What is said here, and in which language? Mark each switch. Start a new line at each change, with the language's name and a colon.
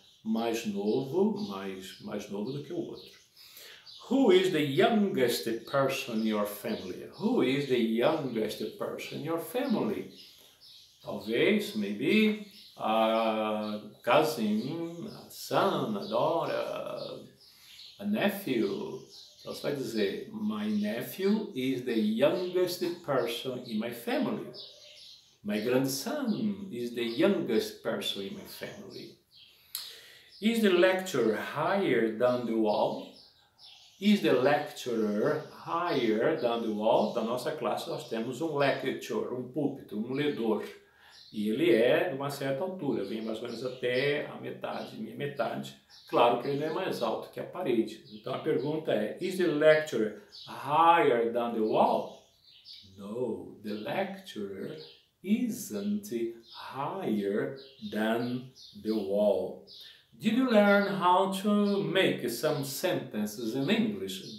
Portuguese: Mais novo, mais novo do que o outro.
English: Who is the youngest person in your family? Who is the youngest person in your family? Talvez, maybe, a cousin, a son, a daughter, a nephew.
Portuguese: Então, você vai dizer,
English: my nephew is the youngest person in my family. My grandson is the youngest person in my family. Is the lecturer higher than the wall? Is the lecturer higher than the wall?
Portuguese: Da nossa classe, nós temos um lecturer, um púlpito, um ledor. E ele é de uma certa altura, vem mais ou menos até a metade, minha metade. Claro que ele é mais alto que a parede. Então a pergunta é,
English: is the lecturer higher than the wall? No, the lecturer isn't higher than the wall. Did you learn how to make some sentences in English?